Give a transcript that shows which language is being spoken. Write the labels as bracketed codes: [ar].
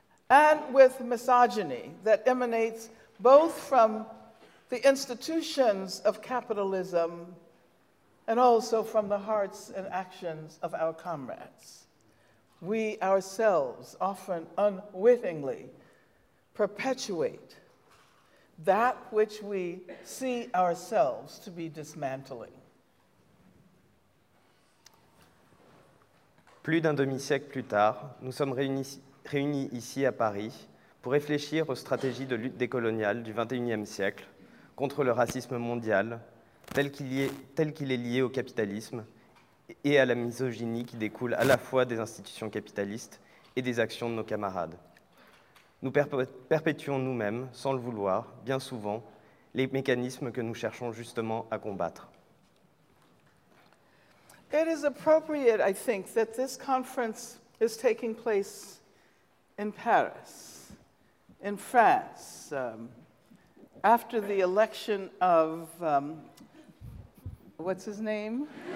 [en] and with misogyny that emanates both from the institutions of capitalism and also from the hearts and actions of our comrades. We ourselves often unwittingly perpetuate that which we see ourselves to be dismantling. [fr] Plus d'un demi-siècle plus tard, nous sommes réunis ici à Paris pour réfléchir aux stratégies de lutte décoloniale du XXIe siècle contre le racisme mondial tel qu'il est lié au capitalisme et à la misogynie qui découle à la fois des institutions capitalistes et des actions de nos camarades. Nous perpétuons nous-mêmes, sans le vouloir, bien souvent, les mécanismes que nous cherchons justement à combattre. [en] It is appropriate, I think, that this conference is taking place in Paris, in France, after the election of, what's his name?